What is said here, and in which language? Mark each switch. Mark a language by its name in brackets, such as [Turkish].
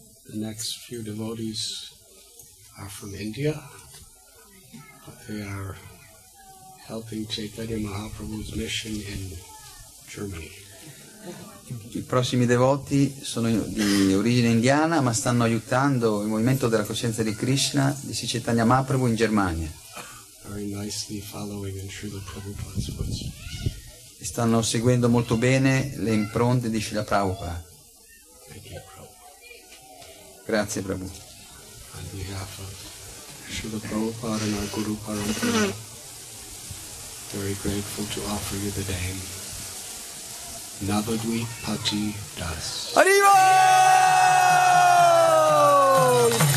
[English] The next few devotees are from India. They are helping Chaitanya Mahaprabhu's mission in Germany. [Italian] I prossimi devoti sono di origine indiana, ma stanno aiutando il movimento della coscienza di Krishna di Sri Chaitanya Mahaprabhu in Germania. [English] Very nicely following in Srila Prabhupada's footsteps. [Italian] E stanno seguendo molto bene le impronte di Srila Prabhupada. Grazie Prabhu. [English] On behalf of Srila Prabhupada and our Guru Parampara, very grateful to offer you the name Navadvipati Das. Hari Bol!